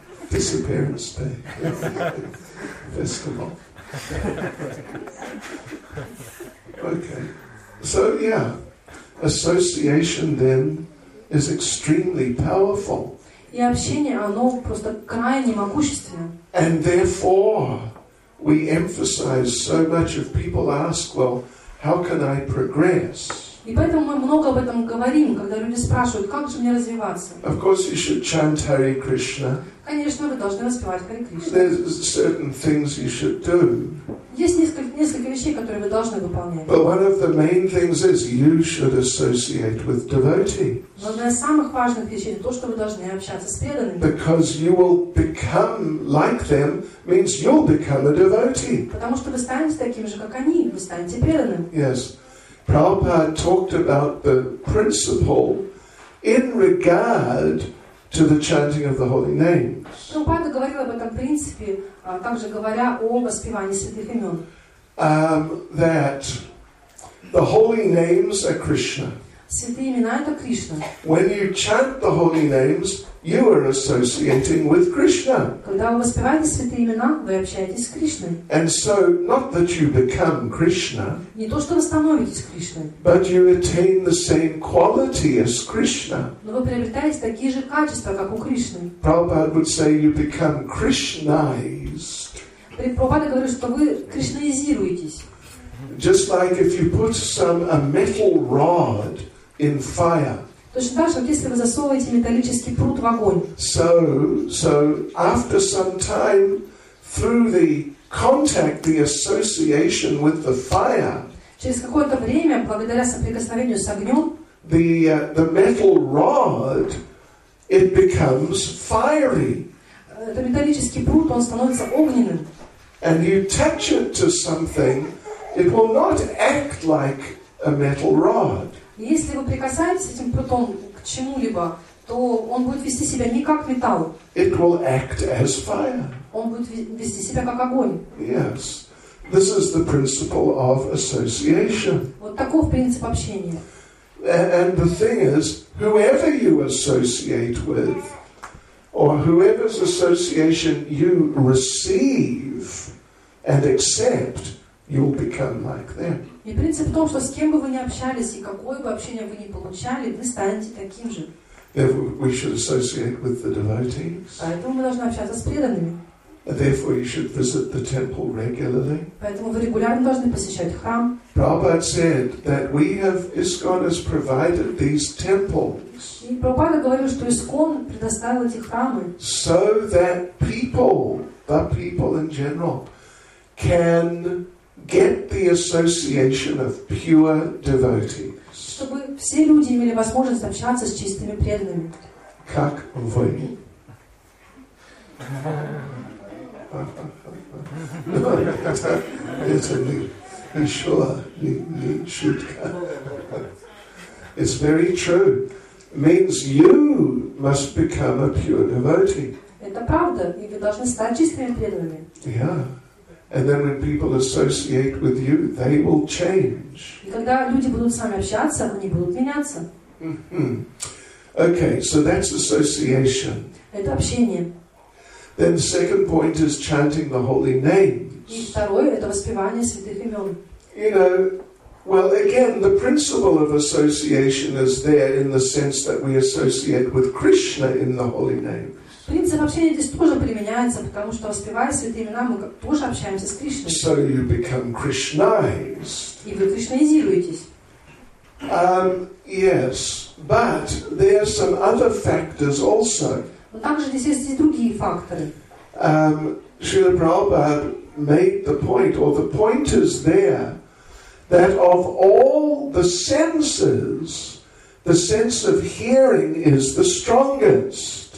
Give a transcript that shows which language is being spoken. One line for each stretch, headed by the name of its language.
English: Disappearance Day. Festival. Okay. So, yeah. Association then is extremely powerful.
Russian: И общение, оно просто крайне могущественное.
English: And therefore, we emphasize so much of people ask, well, how can I progress?
Russian: И поэтому мы много об этом говорим, когда люди спрашивают, как же мне развиваться?
English: Of course, you should chant Hare Krishna.
Russian: Конечно, вы должны распевать Hare Krishna.
English: There's certain things you should do.
Russian: Есть несколько вещей, которые вы должны выполнять.
English: But one of the main things is you should associate with devotees.
Russian: Одна из самых важных вещей то, что вы должны общаться с преданными.
English: Because you will become like them means you'll become a devotee.
Russian: Потому что вы станете таким же, как они, вы станете преданным.
English: Yes. Prabhupada talked about the principle in regard to the chanting of the holy names.
Russian: Прабхупада говорил об этом принципе, также говоря о воспевании святых имен.
English: That the holy names are Krishna.
Russian: Святые имена это Кришна.
English: When you chant the holy names, you are associating with Krishna.
Russian: Когда вы воспеваете святые имена, вы общаетесь с Кришной.
English: And so, not that you become Krishna.
Russian: Не то, что вы становитесь Кришной.
English: But you attain the same quality as Krishna.
Russian: Но вы приобретаете такие же качества, как у Кришны.
English: Prabhupada would say you become Krishnaized.
Russian: Прабхупада говорит, что вы кришнаизируетесь.
English: Just like if you put a metal rod in fire.
Russian: Точно так, что если вы засовываете металлический прут в огонь.
English: So after some time, through the contact, the association with the fire.
Russian: Через какое-то время, благодаря соприкосновению с огнем.
English: The metal rod, it becomes fiery.
Russian: Этот металлический прут, он становится огненным.
English: And you touch it to something, it will not act like a metal rod.
Russian: Если вы прикасаетесь этим прутом к чему-либо, то он будет вести себя не как металл.
English: It will act as fire.
Russian: Он будет вести себя как огонь.
English: Yes. This is the principle of association.
Russian: Вот таков принцип общения.
English: And the thing is, whoever you associate with, or whoever's association you receive and accept, you will become like them.
Russian: И принцип в том, что с кем бы вы ни общались и какое бы общение вы ни получали, вы станете таким же.
English: Therefore, we should associate with the devotees.
Russian: Поэтому мы должны общаться с преданными.
English: Therefore, you should visit the temple regularly.
Russian: Поэтому вы регулярно должны посещать храм.
English: Prabhupada said that we have ISKCON has provided these temples.
Russian: И Прабхупада говорил, что ИСКОН предоставил эти храмы.
English: So that people, the people in general, can get the association of pure devotees.
Russian: Чтобы все люди имели возможность общаться с чистыми преданными. Как вы? Это не еще не шутка.
English: It's very true. Means you must become a pure devotee.
Russian: Это правда, и вы должны стать чистыми преданными.
English: Yeah. And then when people associate with you, they will change.
Russian: И когда люди будут с вами общаться, они будут меняться.
English: Okay, so that's association.
Russian: Это общение.
English: Then the second point is chanting the holy names.
Russian: И второе это воспевание святых имен.
English: You know, well, again, the principle of association is there in the sense that we associate with Krishna in the holy name.
Russian: Принцип общения здесь тоже применяется, потому что воспевая святые имена, мы тоже общаемся с Кришной.
English: So you become Krishnaized.
Russian: И вы кришнаизируетесь.
English: Yes, but there are some other factors also.
Russian: Но также здесь есть и другие факторы.
English: Srila Prabhupada made the point, or the point is there, that of all the senses, the sense of hearing is the strongest.